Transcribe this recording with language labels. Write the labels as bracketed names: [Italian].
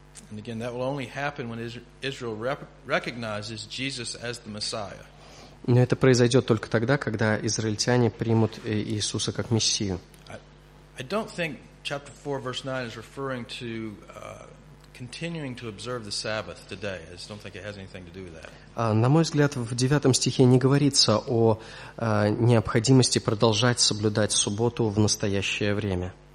[English] And again, that will only happen when Israel recognizes Jesus as the Messiah. [Russian] Но это произойдет только тогда, когда израильтяне примут Иисуса как Мессию. [English] I don't think chapter 4, verse 9 is referring to continuing to observe the Sabbath today. I just don't think it has anything to do with that. [Russian] На мой взгляд, в девятом стихе не говорится о необходимости продолжать соблюдать субботу в настоящее время.